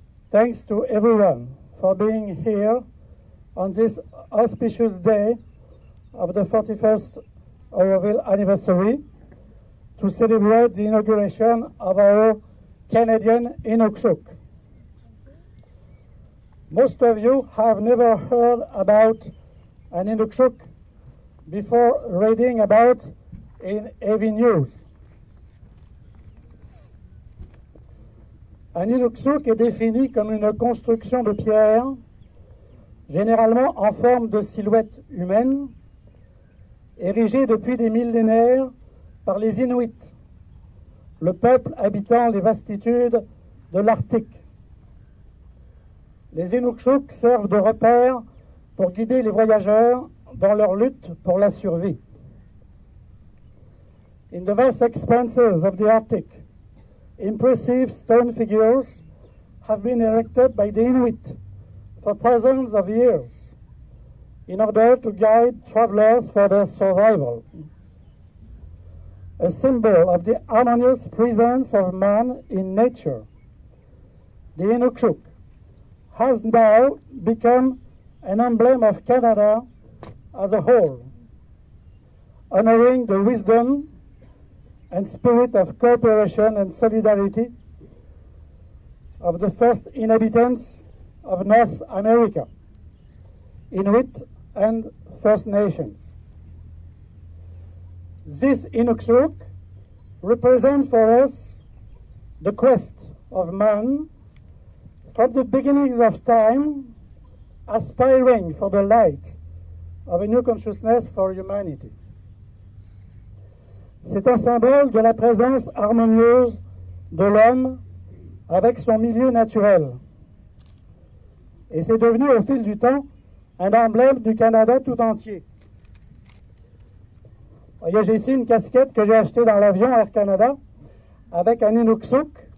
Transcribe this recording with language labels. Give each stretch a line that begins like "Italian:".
English: Thanks to everyone for being here on this auspicious day of the 41st Auroville anniversary to celebrate the inauguration of our Canadian Inukshuk. Most of you have never heard about an Inukshuk before reading about in AV News.
French: Un Inukshuk est défini comme une construction de pierre, généralement en forme de silhouette humaine, érigée depuis des millénaires par les Inuits, le peuple habitant les vastitudes de l'Arctique. Les Inukshuk servent de repère pour guider les voyageurs dans leur lutte pour la survie.
English: In the vast expanses of the Arctic, impressive stone figures have been erected by the Inuit for thousands of years in order to guide travelers for their survival. A symbol of the harmonious presence of man in nature, the Inukshuk has now become an emblem of Canada as a whole, honoring the wisdom and spirit of cooperation and solidarity of the first inhabitants of North America, Inuit and First Nations. This Inukshuk represents for us the quest of man from the beginnings of time, aspiring for the light of a new consciousness for humanity.
French: C'est un symbole de la présence harmonieuse de l'homme avec son milieu naturel. Et c'est devenu au fil du temps un emblème du Canada tout entier. Voyez, j'ai ici une casquette que j'ai achetée dans l'avion Air Canada avec un Inukshuk.